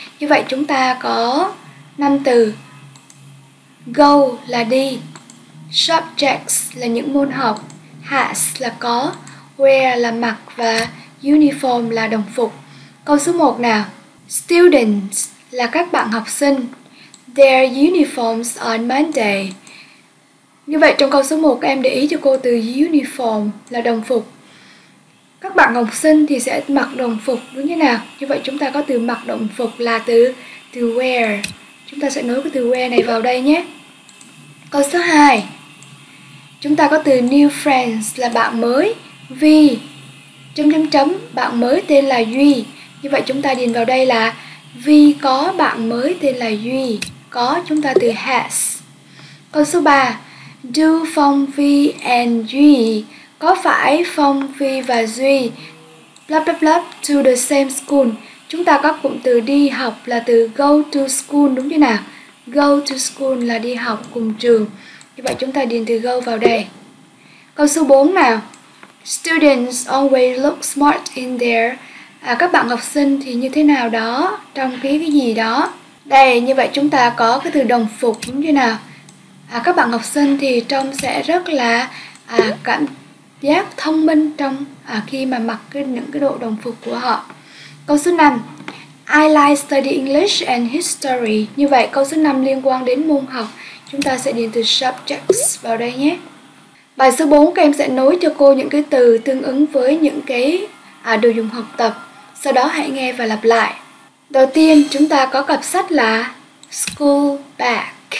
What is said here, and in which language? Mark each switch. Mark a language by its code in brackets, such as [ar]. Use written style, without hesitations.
[vi] Như vậy chúng ta có 5 từ. Go là đi. Subjects là những môn học. Has là có. Wear là mặc. Và uniform là đồng phục. Câu số 1 nào. Students là các bạn học sinh. [en] Their uniforms on Monday. [vi] Như vậy trong câu số 1 các em để ý cho cô từ uniform là đồng phục. Các bạn học sinh thì sẽ mặc đồng phục đúng như nào? Như vậy chúng ta có từ mặc đồng phục là từ wear. Chúng ta sẽ nối cái từ wear này vào đây nhé. Câu số 2. Chúng ta có từ [en] new friends [vi] là bạn mới. Vì bạn mới tên là Duy. Như vậy chúng ta điền vào đây là Vì có bạn mới tên là Duy. Có chúng ta từ has. Câu số 3. [en] Do Phong, Vi and Duy. [vi] Có phải Phong, Vi và Duy [en] blah blah blah to the same school. [vi] Chúng ta có cụm từ đi học là từ [en] go to school [vi] đúng như nào. [en] Go to school [vi] là đi học cùng trường. Như vậy chúng ta điền từ go vào đây. Câu số 4 nào. [en] Students always look smart in there. [vi] Các bạn học sinh thì như thế nào đó trong cái gì đó. Đây, như vậy chúng ta có cái từ đồng phục đúng như nào. Các bạn học sinh thì trông sẽ rất là cảm giác thông minh trong khi mà mặc những cái độ đồng phục của họ. Câu số 5. [en] I like study English and history. [vi] Như vậy câu số 5 liên quan đến môn học. Chúng ta sẽ điền từ subjects vào đây nhé. Bài số 4 các em sẽ nối cho cô những cái từ tương ứng với những cái đồ dùng học tập. Sau đó hãy nghe và lặp lại. Đầu tiên chúng ta có cặp sách là school bag.